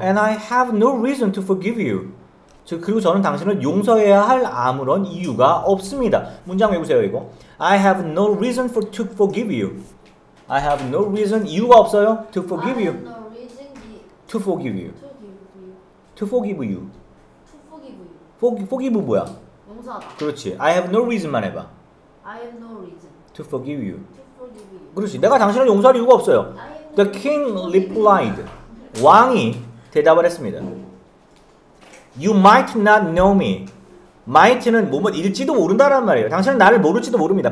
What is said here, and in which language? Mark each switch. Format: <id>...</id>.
<en>And I have no reason to forgive you.</en> <ko>그리고 저는 당신을 용서해야 할 아무런 이유가 없습니다. 문장 외우세요, 이거.</ko> <en>I have no reason to forgive you. I have no reason.</en> <ko>이유가 없어요.</ko> <en>To forgive I have you. no reason To forgive you. to give To forgive you. Forgive</en> <ko>뭐야? 용서하다. 그렇지.</ko> <en>I have no reason만 해봐. I have no reason To forgive you. to forgive you.</en> <ko>그렇지. 내가 당신을 용서할 이유가 없어요.</ko> <en>The king replied.</en> <ko>왕이 대답을 했습니다.</ko> <en>You might not know me.</en> <ko>Might는 뭐뭐 일지도 모른다란 말이에요. 당신은 나를 모를지도 모릅니다.</ko>